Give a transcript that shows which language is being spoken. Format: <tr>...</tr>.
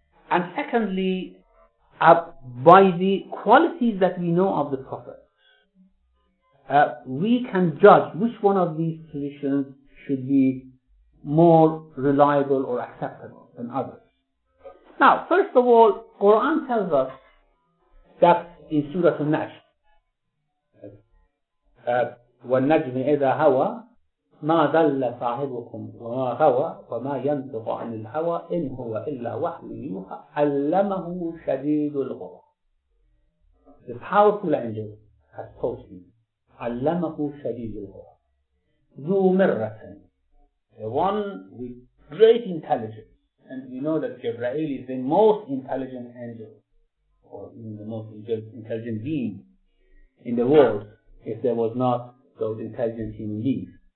<en>And secondly, by the qualities that we know of the Prophet, we can judge which one of these traditions should be more reliable or acceptable than others. Now, first of all, Quran tells us that in Surah Al-Najm,</en> <ar>وَالنَّجْمِ إِذَا هَوَى مَا ذَلَّ صَاحِبُكُمْ وَمَا غَوَى وَمَا يَنْطِقُ عَنِ الْهَوَى إِنْ هُوَ إِلَّا وَحْيٌ يُوحَى عَلَّمَهُ شَدِيدُ الْغُوَى.</ar> <en>The powerful angel has taught him.</en> <ar>عَلَّمَهُ شَدِيدُ الْغُوَى. ذُو مِرَّةٍ.</ar> <en>The one with great intelligence. And we know that Jibreel is the most intelligent angel, or even the most intelligent being in the world, if there was not those intelligent human beings.</en>